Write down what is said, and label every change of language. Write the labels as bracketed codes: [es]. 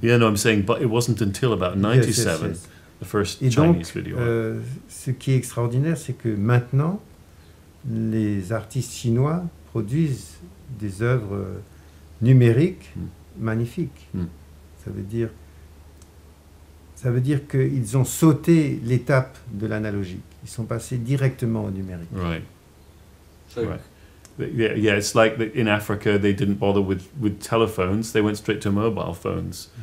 [en] Yeah, no, I'm saying, but it wasn't until about 97, yes, yes, yes, the first [fr] et [en] Chinese [fr] donc, [en] video. [fr] Ce qui est extraordinaire, c'est que maintenant, les artistes chinois produisent des œuvres numériques magnifiques. Mm. Ça veut dire qu'ils ont sauté l'étape de l'analogique. Ils sont passés directement au numérique. [en] Right. Right. Yeah, it's like in Africa they didn't bother with telephones, they went straight to mobile phones.